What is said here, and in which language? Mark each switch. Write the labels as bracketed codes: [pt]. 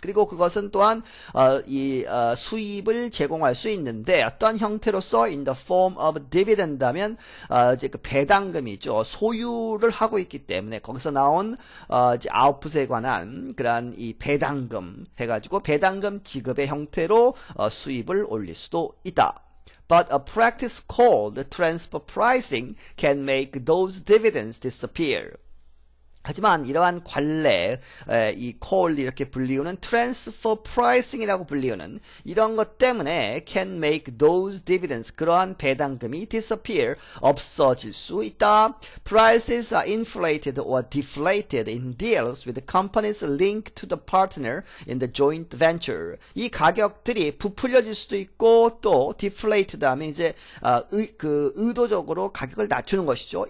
[ko] 그리고 그것은 또한 수입을 제공할 수 있는데 어떤 형태로서 [en] in the form of dividend [ko] 하면 이제 그 배당금이죠. 소유를 하고 있기 때문에 거기서 나온 이제 아웃풋에 관한 그러한 이 배당금 해 가지고 배당금 지급의 형태로 수입을 올릴 수도 있다. [en] But a practice called transfer pricing can make those dividends disappear. [ko] 하지만 이러한 관례, 이 call 이렇게 불리우는 transfer pricing이라고 불리우는 이런 것 때문에 [en] can make those dividends, [ko] 그러한 배당금이 disappear, 없어질 수 있다. [en] Prices are inflated or deflated in deals with companies linked to the partner in the joint venture. [ko] 이 가격들이 부풀려질 수도 있고 또 deflated 하면 이제 의도적으로 가격을 낮추는 것이죠.